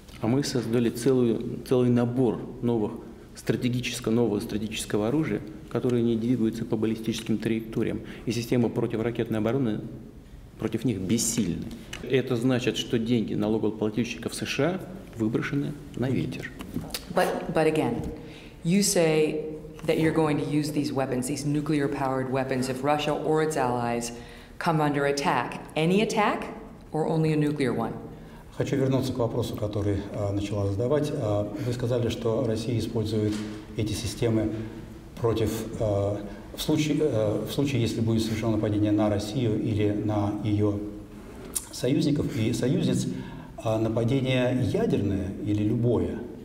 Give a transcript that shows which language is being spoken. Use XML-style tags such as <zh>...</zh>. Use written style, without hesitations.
<ru>А мы создали целый набор новых нового стратегического оружия, которое не двигается по баллистическим траекториям. И системы противоракетной обороны против них бессильны. Это значит, что деньги налогоплательщиков США выброшены на ветер.</ru> <en>But again, you say that you're going to use these weapons, these nuclear-powered weapons, if Russia or its allies come under attack. Any attack or only a nuclear one?</en> <ru>Хочу вернуться к вопросу, который начала задавать. Вы сказали, что Россия использует эти системы против в случае, если будет совершено нападение на Россию или на ее союзников и союзниц, нападение ядерное или любое?</ru>